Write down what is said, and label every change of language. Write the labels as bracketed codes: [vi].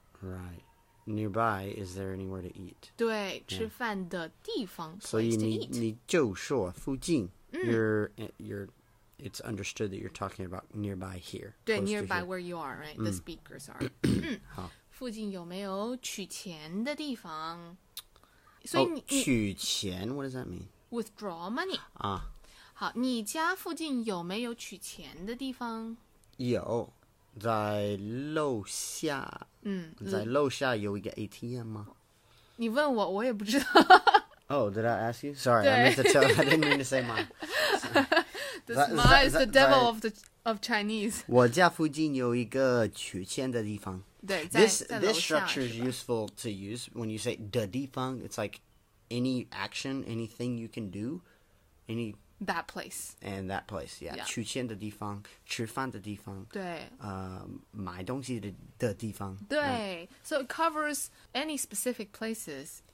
[en] 嗯、Right Nearby, is there anywhere to eat? [zh] 对、yeah. 吃饭的地方 [en] So you, [zh] 你就说附近、 [en] 嗯、you're, It's understood that you're talking about nearby here 对 nearby here. where you are, right?、嗯、the speakers are [zh] 好附近有没有取钱的地方所以、 [en] oh, 取钱 What does that mean? Withdraw money、啊、 [zh] 好你家附近有没有取钱的地方有在楼下嗯，在楼下有一个 ATM 吗？你问我，我也不知道。 [en] Oh, did I ask you? Sorry, I meant to tell. I didn't mean to say mine. This ma is the devil of the of Chinese. [zh] 我家附近有一个取钱的地方。对， [en] this structure is useful to use when you say 的地方。 It's like any action, anything you can do, any that place and that place. Yeah, [zh] 取钱的地方，吃饭的地方。对。买东西的。的地方 [en] 对、right. So it covers any specific places.